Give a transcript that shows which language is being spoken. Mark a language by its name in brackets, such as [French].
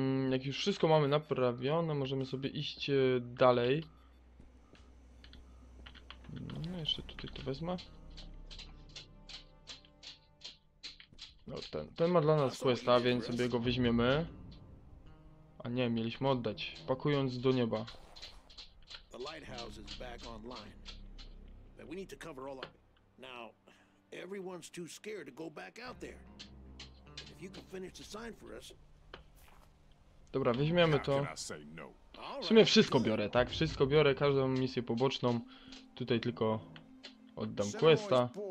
[Polish] Jak już wszystko mamy naprawione, możemy sobie iść dalej. No, jeszcze tutaj to wezmę. Ten ma dla nas questa, więc sobie go weźmiemy. A nie, mieliśmy oddać, pakując do nieba. [English] The lighthouse is back online. But we need to cover all of it. Now, everyone's too scared to go back out there. If you can finish the sign for us. [Polish] Dobra, weźmiemy to. W sumie wszystko biorę, tak? Wszystko biorę, każdą misję poboczną. Tutaj tylko oddam questa.